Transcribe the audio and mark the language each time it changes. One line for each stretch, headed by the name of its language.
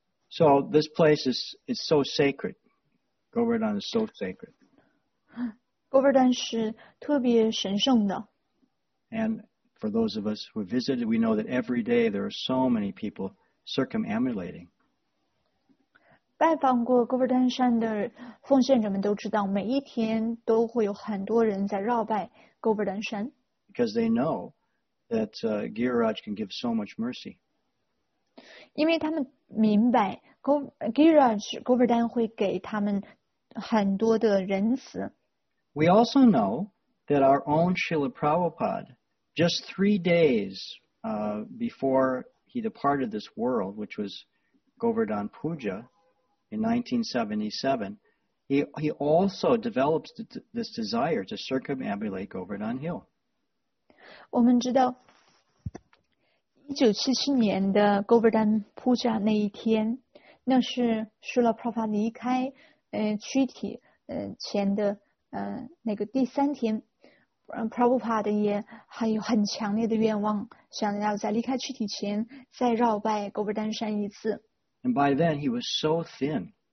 English: So this place is so sacred. Govardhan is so sacred.
Chinese: Govardhan 是特别神圣的。
English: And for those of us who visited, we know that every day there are so many people circumambulating.
Chinese: 拜访过 Govardhan 山的奉献者们都知道，每一天都会有很多人在绕拜 Govardhan 山。
English: Because they know that Giriraj can give so much mercy.
Chinese: 因为他们明白 Giriraj Govardhan 会给他们很多的仁慈。
English: We also know that our own Srila Prabhupada, just 3 days before he departed this world, which was Govardhan Puja in 1977, he also develops this desire to circumambulate Govardhan Hill.
Chinese: 我们知道 1977年的Govardhan Puja那一天, 那是Srila Prabhupada离开躯体前的那个第三天, Prabhupada也很强烈的愿望, 想要在离开躯体前再绕拜Govardhan山一次。
English: And by then he was so thin.